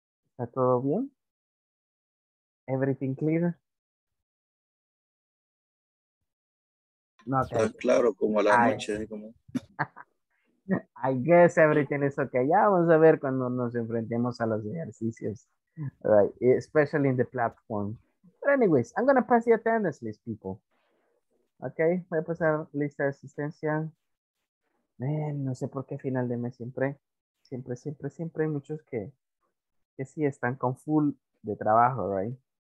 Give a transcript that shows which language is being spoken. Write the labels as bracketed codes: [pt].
[es] ¿Está todo bien? [en] ¿Everything clear? [es] No, okay. Está claro como a la noche. [en] ¿Eh? I guess everything is okay. [es] Ya vamos a ver cuando nos enfrentemos a los ejercicios. [en] Right. Especially in the platform. But anyways, I'm going to pass the attendance list, people. [es] Okay, voy a pasar lista de asistencia. Man, no sé por qué final de mes siempre hay muchos que sí están con full de trabajo, right?